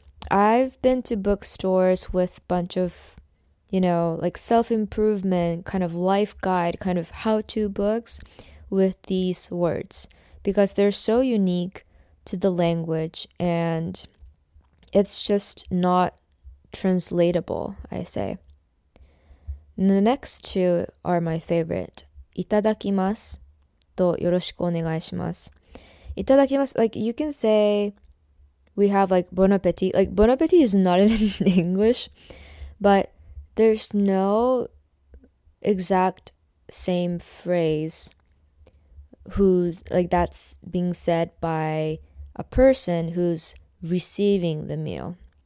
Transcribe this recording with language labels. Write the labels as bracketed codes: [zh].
[en] I've been to bookstores with a bunch of, like self-improvement, kind of life guide, kind of how-to books with these words because they're so unique to the language and it's just not translatable, I say. And the next two are my favorite. [ja] いただきますとよろしくお願いします。いただきます。 [en] Like, you can say we have like bon appetit. Like, bon appetit is not even English, but there's no exact same phrase who's like that's being said by a person who's receiving the meal.